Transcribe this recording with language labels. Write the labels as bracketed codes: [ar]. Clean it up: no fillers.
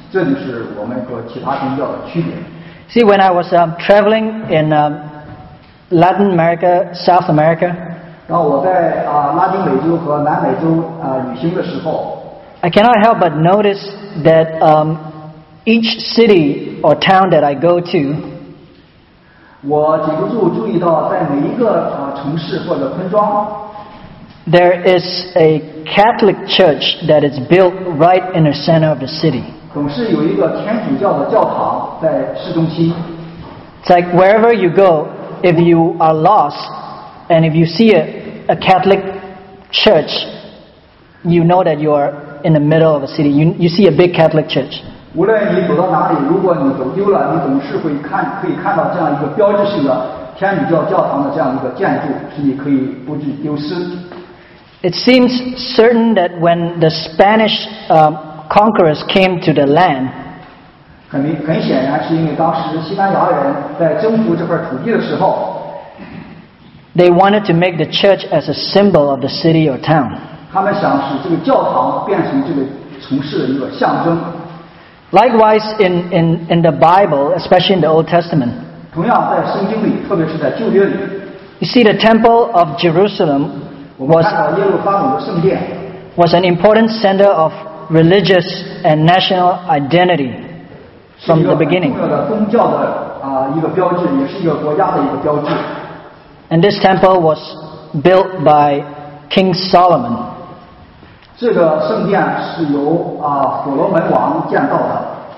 [zh] 这就是我们和其他宗教的区别。 [en] See, when I was traveling in Latin America, South America, [zh] 当我在拉丁美洲和南美洲旅行的时候， [en] I cannot help but notice that each city or town that I go to, [zh] 我禁不住注意到在每一个城市或者村庄， [en] there is a Catholic church that is built right in the center of the city. [zh] 总是有一个天主教的教堂在市中心。 [en] It's like wherever you go, if you are lost, and if you see a Catholic church, you know that you are in the middle of a city. You see a big Catholic church. [zh] 无论你走到哪里，如果你走丢了，你总是会可以看到这样一个标志性的天主教教堂的这样一个建筑，是你可以不致丢失。 [en] It seems certain that when the Spanish conquerors came to the land, [zh] 很显然是因为当时西班牙人在征服这块土地的时候， [en] they wanted to make the church as a symbol of the city or town. [zh] 他们想使这个教堂变成这个城市的一个象征。 [en] Likewise, in the Bible, especially in the Old Testament, [zh] 同样在圣经里，特别是在旧约里， [en] you see the Temple of Jerusalem was an important center of religious and national identity from the beginning. [zh] 是一个很重要的宗教的一个标志，也是一个国家的一个标志。 [en] And this temple was built by King Solomon. [zh] 这个圣殿是由所罗门王建造的。